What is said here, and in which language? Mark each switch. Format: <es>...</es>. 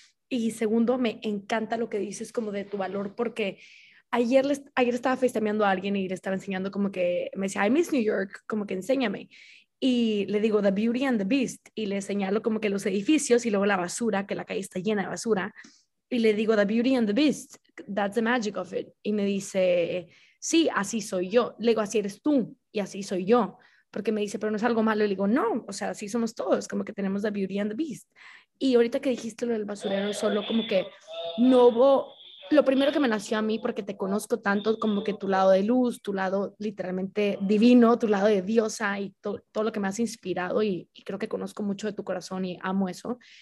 <es>Y segundo, me encanta lo que dices como de tu valor, porque ayer estaba facetameando a alguien y le estaba enseñando como que, me decía,</es> <en>I miss New York,</en> <es>como que enséñame. Y le digo,</es> <en>the beauty and the beast.</en> <es>Y le señalo como que los edificios y luego la basura, que la calle está llena de basura. Y le digo,</es> <en>the beauty and the beast, that's the magic of it.</en> <es>Y me dice, sí, así soy yo. Le digo, así eres tú y así soy yo. Porque me dice, pero no es algo malo. Y le digo, no, o sea, así somos todos, como que tenemos</es> <en>the beauty and the beast.</en> <es>Y ahorita que dijiste lo del basurero, solo como que no hubo, lo primero que me nació a mí, porque te conozco tanto, como que tu lado de luz, tu lado literalmente divino, tu lado de diosa y todo lo que me has inspirado y creo que conozco mucho de tu corazón y amo eso.</es>